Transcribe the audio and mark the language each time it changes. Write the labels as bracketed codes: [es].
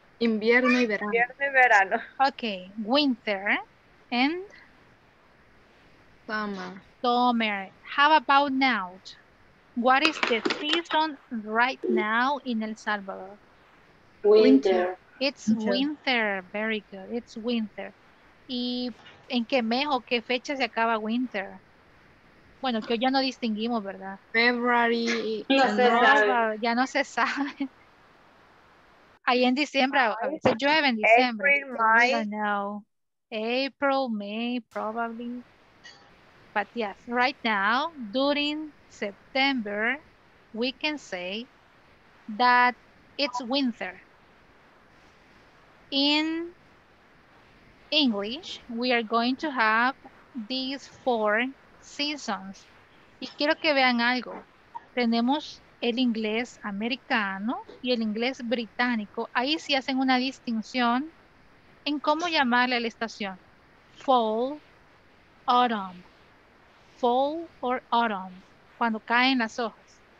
[es] Invierno y verano. Invierno y verano. [en] Okay, winter and summer. Summer. How about now? What is the season right now in El Salvador? Winter. It's winter. Very good. It's winter. [es] ¿Y en qué mes o qué fecha se acaba winter? Bueno, que ya no distinguimos, ¿verdad? [en] February. [es] No se sabe. Ya no se sabe. Ahí en diciembre. Se llueve en diciembre. [en] April, May. I don't know. April, May, probably. But yes, right now, during September, we can say that it's winter. In English, we are going to have these four seasons. [es] Y quiero que vean algo. Tenemos el inglés americano y el inglés británico. Ahí sí hacen una distinción en cómo llamarle a la estación. [en] Fall, autumn. Fall or autumn. [es] Cuando caen las hojas.